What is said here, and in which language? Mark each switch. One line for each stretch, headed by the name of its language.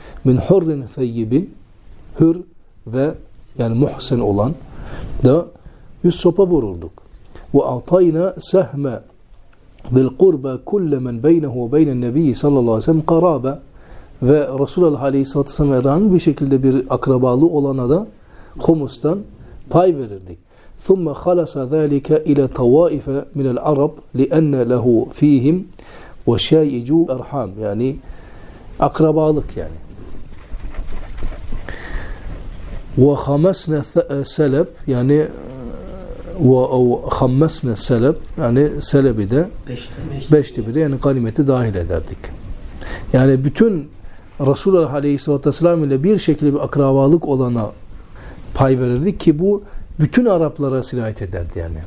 Arabic: Min hurrin thayyibin
Turkish: hür ve yani muhsin olan da 100 sopa vururduk.
Arabic: Ve atayna sehme بِالْقُرْبَى كُلَّ مَنْ بَيْنَهُ وَبَيْنَ النَّبِيِّ صَلَّى اللّٰهُ عَلَيْهِ وَسَلَّمْ قَرَابَ
Turkish: Ve Resulullah Aleyhisselatü Vesselam'ın bir şekilde bir akrabalığı olana da humustan pay verirdik.
Arabic: ثُمَّ خَلَسَ ذَٰلِكَ اِلَى تَوَائِفَ مِنَ الْعَرَبِ لِأَنَّ لَهُ ف۪يهِمْ وَشَيْجُ اَرْحَامِ
Turkish: Yani akrabalık yani.
Arabic: وَخَمَسْنَ سَلَبْ
Turkish: Yani ve hammasna selb yani selbi de 5'te 1 yani ganimeti dahil ederdik. Yani bütün Resulullah Aleyhissalatu Vesselam ile bir şekilde bir akrabalık olana pay verirdik ki bu bütün Araplara sirayet ederdi yani.